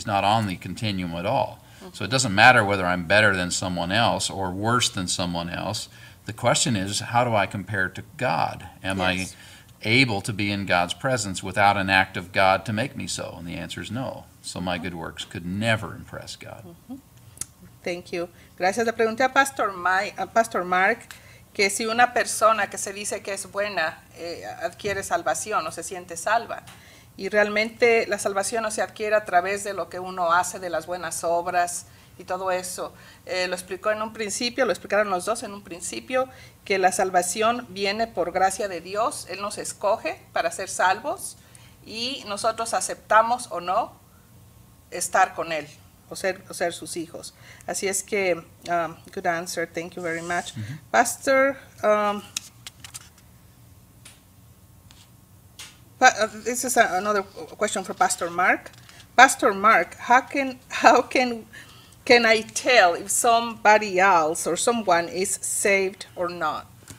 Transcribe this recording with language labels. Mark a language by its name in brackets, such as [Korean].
[English] He's not on the continuum at all. So it doesn't matter whether I'm better than someone else or worse than someone else. The question is, how do I compare to God? Am I able to be in God's presence without an act of God to make me so? And the answer is no. So my good works could never impress God. Mm-hmm. Thank you. Gracias. [Spanish] Le pregunté a Pastor Mark que si una persona que se dice que es buena adquiere salvación o se siente salva. Y realmente la salvación no se adquiere a través de lo que uno hace, de las buenas obras y todo eso. Lo explicó en un principio, lo explicaron los dos en un principio, que la salvación viene por gracia de Dios. Él nos escoge para ser salvos y nosotros aceptamos o no estar con Él o ser sus hijos. Así es que, [English] good answer, thank you very much. Mm-hmm. Pastor, This is another question for Pastor Mark. Pastor Mark, how can I tell if somebody else or someone is saved or not?